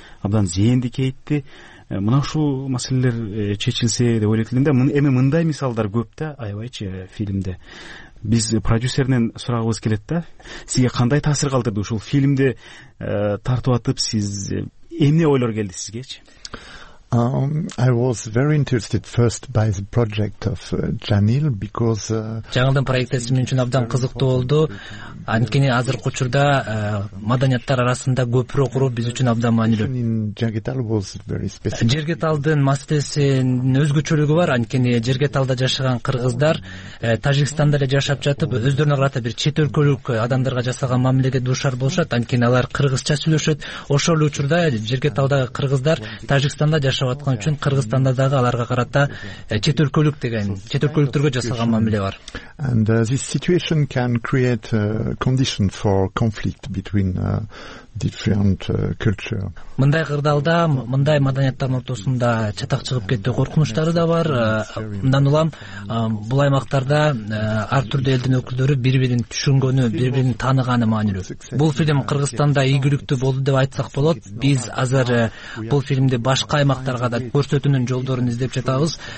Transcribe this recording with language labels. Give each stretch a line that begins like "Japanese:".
Kyrgyz: Абдан зээнди кейитти. Мына ушул маселелер чечилсе деп ойлойт элем да. Эми мындай мисалдар көп да, аябайчы фильмде. Биз продюсернен сурагыбыз келет да, сизге кандай таасир калтырды ушул фильмди тартып атып, сиз эмне ойлор келди сизгечи?
English: I was very interested first by the project of Janil because
Kyrgyz: жаңылдын проектеси мен үчүн абдан кызыктуу болду. Анткени азыркы учурда маданияттар арасында көпүрө куруу биз үчүн абдан маанилүү.
English: Жергетал was very special.
Kyrgyz: Жергеталдын маселесинин өзгөчөлүгү бар, анткени жергеталда жашаган кыргыздар Тажикстанда эле жашап жатып, өздөрүнө карата бир чет өлкөлүк адамдарга жасаган мамилеге дуушар болушат, анткени алар кыргызча сүйлөшөт. Ошол учурда жергеталдагы кыргыздар Тажикстанда жашап аткан үчүн Кыргызстанда дагы аларга карата чет өлкөлүк деген, чет өлкөлүктөргө жасалган мамиле бар.
English: And this situation can create a condition for conflict between different culture.
Kyrgyz: Мындай кырдаалда, мындай маданияттардын ортосунда чатак чыгып кетүү коркунучтары да бар. Мындан улам бул аймактарда ар түрдүү элдин өкүлдөрү бири-бирин түшүнгөнү, бири-бирин тааныганы маанилүү. Бул фильм Кыргызстанда ийгиликтүү болду деп айтсак болот. Биз азыр бул фильмди башка аймактарга да көрсөтүүнүн жолдорун издеп жатабыз.